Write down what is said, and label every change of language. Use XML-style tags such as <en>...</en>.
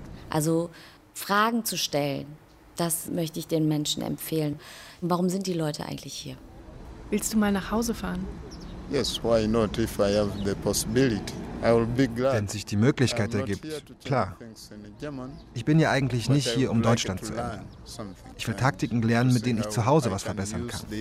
<de>Also Fragen zu stellen, das möchte ich den Menschen empfehlen. Warum sind die Leute eigentlich hier? Willst du mal nach Hause fahren?</de> <en>Yes, why not? If I have the possibility, I will be glad.</en> <de>Wenn sich die Möglichkeit ergibt, klar. Ich bin ja eigentlich nicht hier, um Deutschland zu ändern. Ich will Taktiken lernen, mit denen ich zu Hause was verbessern kann.</de>